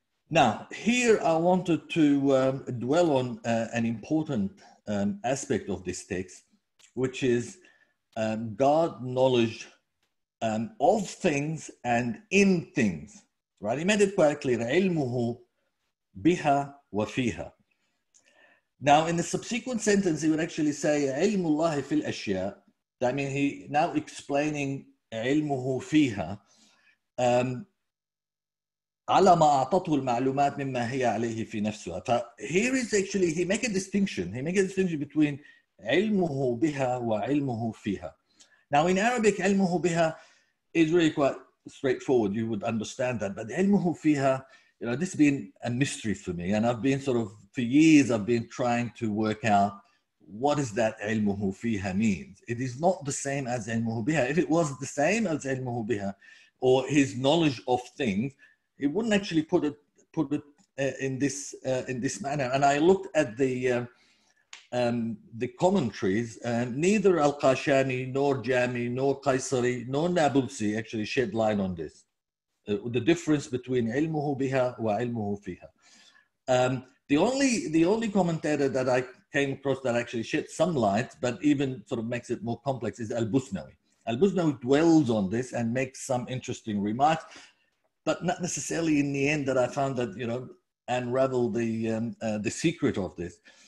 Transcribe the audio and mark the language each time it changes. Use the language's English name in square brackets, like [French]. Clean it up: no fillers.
[English] Now, here I wanted to dwell on an important aspect of this text, which is God's knowledge of things and in things. Right? He made it quite clear. [Arabic] عِلْمُهُ بِهَا وَفِيهَا. [English] Now, in the subsequent sentence, he would actually say, [Arabic] عِلْمُ اللَّهِ فِي الْأَشْيَاءِ. [English] I mean, he now explaining [Arabic] عِلْمُهُ فِيهَا عَلَى مَا أَعْطَتُهُ الْمَعْلُومَاتِ مِمَّا هِيَ عَلَيْهِ فِي نَفْسُهَا. [English] Here is actually, he make a distinction. He make a distinction between [Arabic] عِلْمُهُ بِهَا وَعِلْمُهُ فِيهَا. [English] Now, in Arabic, [Arabic] عِلْمُهُ بِهَا [English] is really quite straightforward. You would understand that. But [Arabic] عِلْمُهُ فِيهَا, [English] you know, this has been a mystery for me. And I've been sort of, for years, I've been trying to work out what is that [Arabic] عِلْمُهُ فِيهَا [English] means. It is not the same as [Arabic] عِلْمُهُ بِهَا. [English] If it was the same as عِلْمُهُ بِهَا, or his knowledge of things, he wouldn't actually put it in this manner. And I looked at the commentaries, and neither Al-Qashani, nor Jami, nor Qaisari, nor Nablusi actually shed light on this. The difference between [Arabic] عِلْمُهُ بِهَا وَعِلْمُهُ فِيهَا. [English] The only commentator that I came across that actually shed some light, but even sort of makes it more complex, is Al-Busnawi. Al-Buznawi dwells on this and makes some interesting remarks, but not necessarily in the end that I found that, you know, unravel the secret of this.